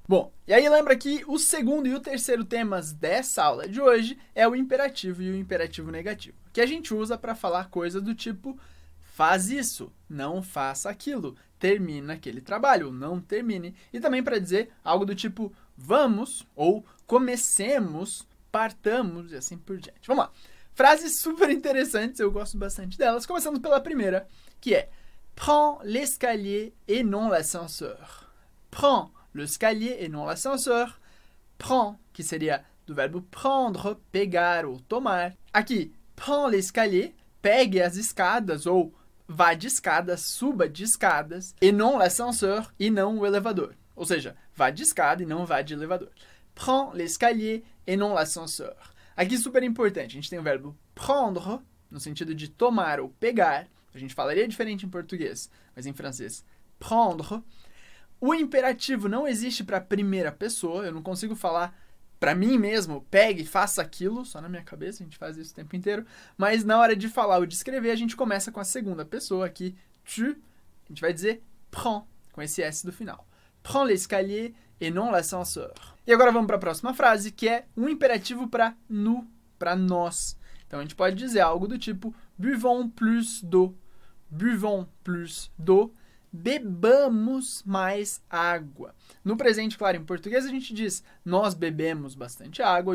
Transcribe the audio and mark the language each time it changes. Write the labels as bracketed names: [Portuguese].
[Portuguese] Bom, e aí lembra que o segundo e o terceiro temas dessa aula de hoje é o imperativo e o imperativo negativo, que a gente usa para falar coisas do tipo faz isso, não faça aquilo, termina aquele trabalho, não termine. E também para dizer algo do tipo vamos ou comecemos, partamos e assim por diante. Vamos lá. Frases super interessantes, eu gosto bastante delas. Começando pela primeira, que é [French] prends l'escalier et non l'ascenseur. Prends l'escalier et non l'ascenseur. [Portuguese] Prends, que seria do verbo prendre, pegar ou tomar. Aqui, [French] prends l'escalier, [Portuguese] pegue as escadas ou vá de escadas, suba de escadas. [French] Et non l'ascenseur [Portuguese] e não o elevador. Ou seja, vá de escada e não vá de elevador. [French] Prends l'escalier et non l'ascenseur. [Portuguese] Aqui super importante, a gente tem o verbo prendre, no sentido de tomar ou pegar. A gente falaria diferente em português, mas em francês, prendre. O imperativo não existe para a primeira pessoa, eu não consigo falar para mim mesmo, pegue, faça aquilo, só na minha cabeça, a gente faz isso o tempo inteiro. Mas na hora de falar ou de escrever, a gente começa com a segunda pessoa aqui, tu, a gente vai dizer prends, com esse S do final. [French] Prends l'escalier et non l'ascenseur. [Portuguese] E agora vamos para a próxima frase, que é um imperativo para nous, para nós. Então a gente pode dizer algo do tipo [French] buvons plus d'eau. Buvons plus d'eau. [Portuguese] Bebamos mais água. No presente, claro, em português a gente diz nós bebemos bastante água.